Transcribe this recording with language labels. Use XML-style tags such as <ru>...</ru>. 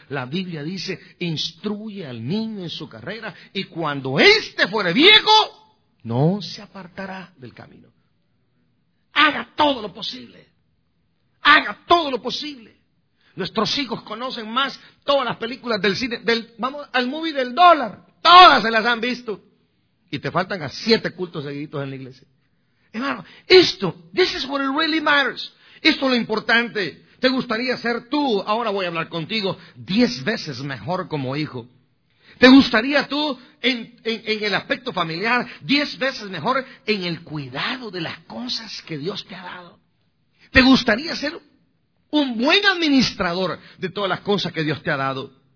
<es>La Biblia dice, instruye al niño en su carrera y cuando éste fuere viejo, no se apartará del camino. Haga todo lo posible. Haga todo lo posible. Nuestros hijos conocen más todas las películas del cine, al movie del dólar. Todas se las han visto. Y te faltan a 7 cultos seguiditos en la iglesia. Hermano, esto,</es> <en>this is what it really matters.</en> <es>Esto es lo importante. ¿Te gustaría ser tú, ahora voy a hablar contigo, 10 veces mejor como hijo? ¿Te gustaría tú, en el aspecto familiar, 10 veces mejor en el cuidado de las cosas que Dios te ha dado? ¿Te gustaría ser un buen administrador de todas las cosas que Dios te ha dado?</es>